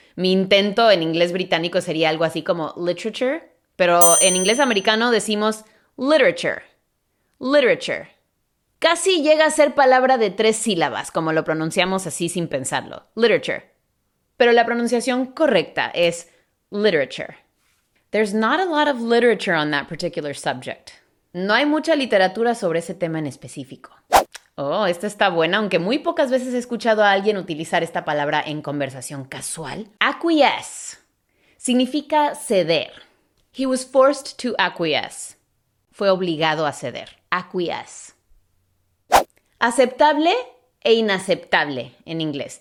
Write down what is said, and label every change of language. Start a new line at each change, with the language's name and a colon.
Spanish: Mi intento en inglés británico sería algo así como literature, pero en inglés americano decimos literature, literature. Casi llega a ser palabra de tres sílabas, como lo pronunciamos así sin pensarlo, literature. Pero la pronunciación correcta es literature.
English: There's not a lot of literature on that particular subject.
Spanish: No hay mucha literatura sobre ese tema en específico. Oh, esta está buena, aunque muy pocas veces he escuchado a alguien utilizar esta palabra en conversación casual. Acquiesce significa ceder.
English: He was forced to acquiesce.
Spanish: Fue obligado a ceder. Acquiesce. Aceptable e inaceptable en inglés.